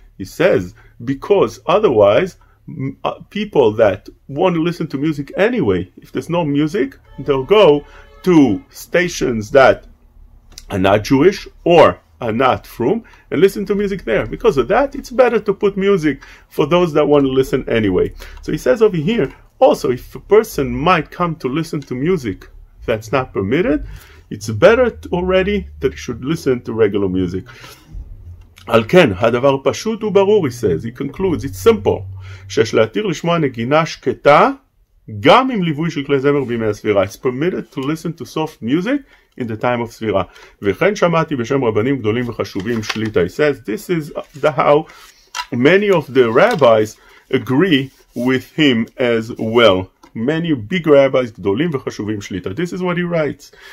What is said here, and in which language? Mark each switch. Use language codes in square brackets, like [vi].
[en] He says, because otherwise people that want to listen to music anyway, if there's no music, they'll go to stations that are not Jewish or are not from and listen to music there. Because of that, it's better to put music for those that want to listen anyway. So he says over here, also, if a person might come to listen to music that's not permitted, it's better already that he should listen to regular music. [he] על כן, הדבר פשוט וברור, [en] he says, he concludes, it's simple, [he] שיש להתיר לשמוע נגינה שקטה, גם עם ליווי של כלי זמר בימי הספירה. [en] It's permitted to listen to soft music in the time of ספירה. [he] וכן שמעתי בשם רבנים גדולים וחשובים שליטה, [en] he says, this is how many of the rabbis agree with him as well. Many big rabbis [he] גדולים וחשובים שליטה. [en] This is what he writes.